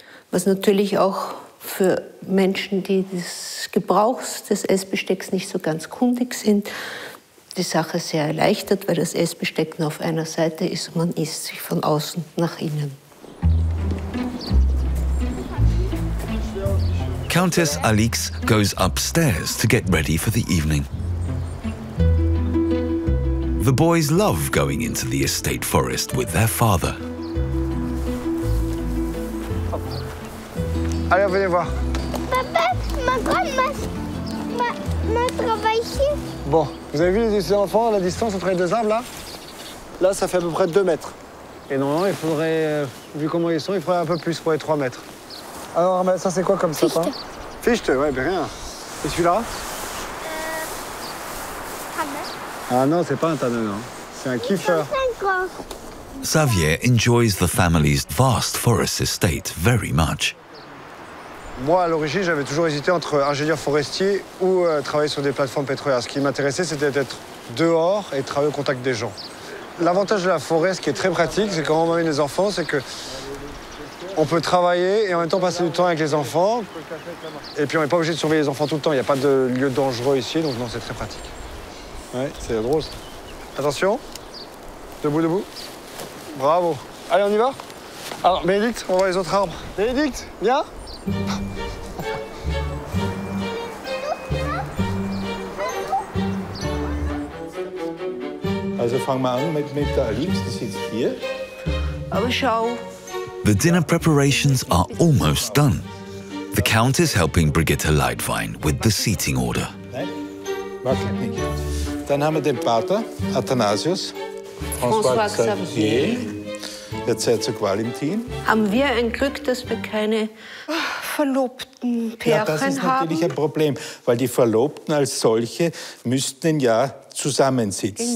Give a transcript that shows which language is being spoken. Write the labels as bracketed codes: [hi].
[de] Was natürlich auch für Menschen, die des Gebrauchs des Essbestecks nicht so ganz kundig sind, die Sache sehr erleichtert, weil das Essbesteck nur auf einer Seite ist und man isst sich von außen nach innen. [en] Countess Alix goes upstairs to get ready for the evening. The boys love going into the estate forest with their father. [fr] Allez, venez voir. Papa, ma grand-mère travaille ici. Bon, vous avez vu les enfants, la distance entre les deux arbres, là? Là, ça fait à peu près 2 mètres. Et normalement, il faudrait, vu comment ils sont, il faudrait un peu plus pour les 3 mètres. Alors, ça, c'est quoi comme sapin? Fichte, ouais, ben rien. Et celui-là? Ah non, c'est pas un tanneur, non. C'est un kiffer. [en] Xavier enjoys the family's vast forest estate very much. [fr] Moi, à l'origine, j'avais toujours hésité entre ingénieur forestier ou travailler sur des plateformes pétrolières. Ce qui m'intéressait, c'était d'être dehors et travailler au contact des gens. L'avantage de la forêt, ce qui est très pratique, c'est quand on emmène les enfants, c'est que on peut travailler et en même temps passer du temps avec les enfants. Et puis, on n'est pas obligé de surveiller les enfants tout le temps. Il n'y a pas de lieu dangereux ici, donc non, c'est très pratique. Ouais, c'est drôle, ça. Attention. Debout, debout. Bravo. Allez, on y va. Alors, Bénédicte, on voit les autres arbres. Bénédicte, viens. [de] Also fangen wir an mit der Alix, die sitzt hier. Aber schau. [en] The dinner preparations are almost done. The Count is helping Brigitte Leitwein with the seating order. [de] Dann haben wir den Pater, Athanasius. François Xavier. Jetzt seid ihr Valentin. Haben wir ein Glück, dass wir keine verlobten Pärchen haben? Ja, das ist natürlich ein Problem, weil die Verlobten als solche müssten ja zusammensitzen.